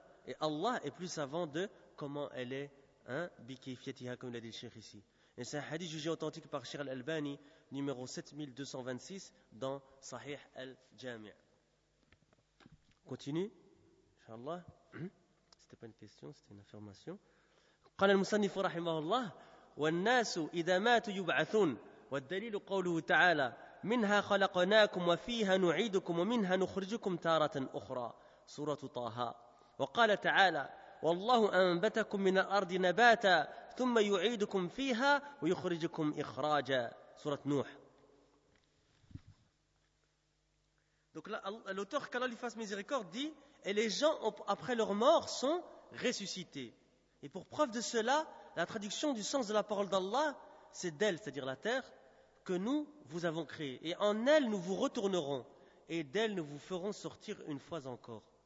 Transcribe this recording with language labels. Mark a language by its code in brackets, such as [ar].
[fr] Et Allah est plus savant de comment elle est, bikifiyatiha, comme l'a dit le cheikh ici. Et c'est un hadith jugé authentique par Cheikh Al-Albani, numéro 7226, dans Sahih Al-Jami'. Continue, Inch'Allah. C'était pas une question, c'était une affirmation. [ar] قال المصنف رحمه الله والناس إذا ماتوا يبعثون والدليل قوله تعالى منها خلقناكم وفيها نعيدكم ومنها نخرجكم تارة أخرى سورة طه وقال تعالى والله أنبتكم من الأرض نباتا ثم يعيدكم فيها ويخرجكم إخراجا سورة نوح. [fr] Donc l'auteur qu'Allah lui fasse miséricorde dit et les gens après leur mort sont ressuscités. Et pour preuve de cela, la traduction du sens de la parole d'Allah, c'est d'elle, c'est-à-dire la terre, que nous vous avons créée. Et en elle, nous vous retournerons. Et d'elle, nous vous ferons sortir une fois encore.